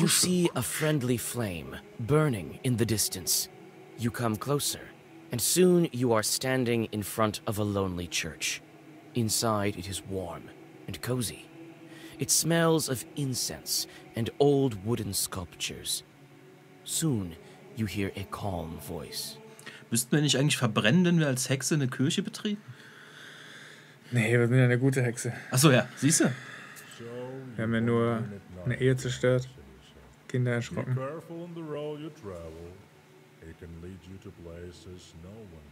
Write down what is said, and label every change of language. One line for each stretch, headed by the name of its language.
English: You see a friendly flame burning in the distance. You come closer. And soon you are standing in front of a lonely church. Inside it is warm and cozy. It smells of incense and old wooden sculptures. Soon you hear a calm voice.
German: Müssten wir nicht eigentlich verbrennen, wenn wir als Hexe eine Kirche betreten? Nee, wir sind ja eine gute Hexe. Achso, ja, siehst du? Wir haben ja nur eine Ehe zerstört, Kinder erschrocken.
English: Be careful on the road you travel. It can lead you to places no one